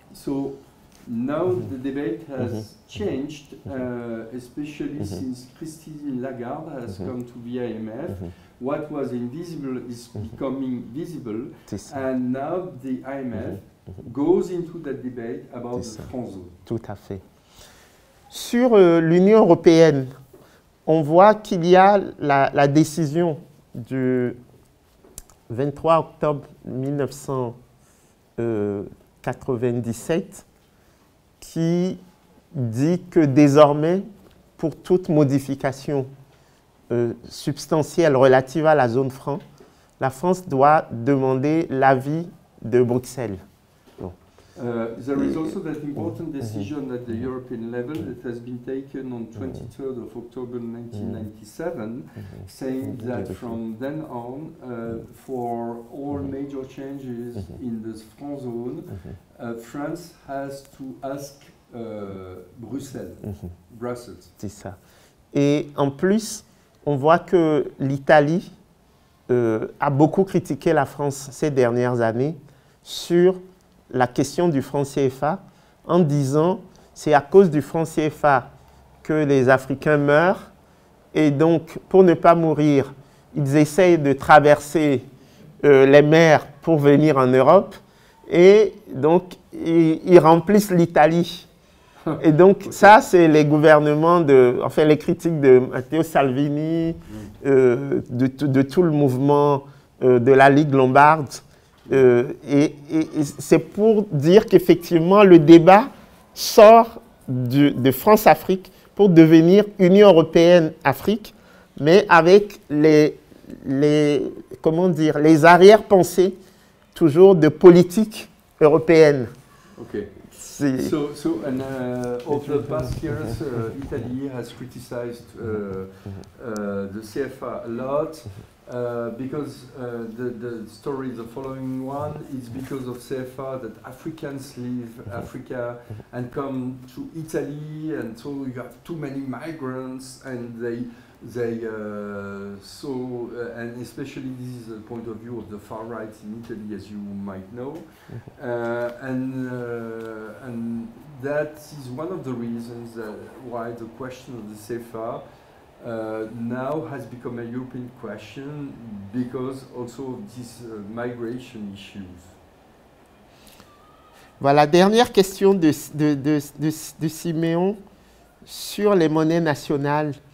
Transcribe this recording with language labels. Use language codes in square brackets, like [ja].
[en] So now the debate has changed, especially since Christine Lagarde has come to the IMF. What was invisible is becoming visible. And now the IMF goes into the debate about the franc zone. [fr] Tout à fait. Sur l'Union européenne, on voit qu'il y a la décision du 23 octobre 1997 qui dit que désormais, pour toute modification substantielle relative à la zone franc, la France doit demander l'avis de Bruxelles. [en] There is also that important decision at the European level that has been taken on 23rd of October 1997, saying that from then on, for all major changes in the franc zone, France has to ask Brussels. [fr] C'est ça. Et en plus, on voit que l'Italie a beaucoup critiqué la France ces dernières années sur la question du franc CFA en disant c'est à cause du franc CFA que les Africains meurent et donc pour ne pas mourir, ils essayent de traverser les mers pour venir en Europe et donc ils remplissent l'Italie. Et donc, okay. Ça, c'est les gouvernements, les critiques de Matteo Salvini, de tout le mouvement de la Ligue Lombarde. Et c'est pour dire qu'effectivement, le débat sort de France-Afrique pour devenir Union européenne-Afrique, mais avec les arrière-pensées toujours de politique européenne. OK. [en] So, over the past years, Italy has criticized the CFA a lot because the story is the following one. It's because of CFA that Africans leave Africa and come to Italy, and so you have too many migrants, and they and especially this is a point of view of the far right in Italy, as you might know, and that is one of the reasons why the question of the CFA now has become a European question, because also of these migration issues. [fr] Voilà, dernière question de Siméon sur les monnaies nationales.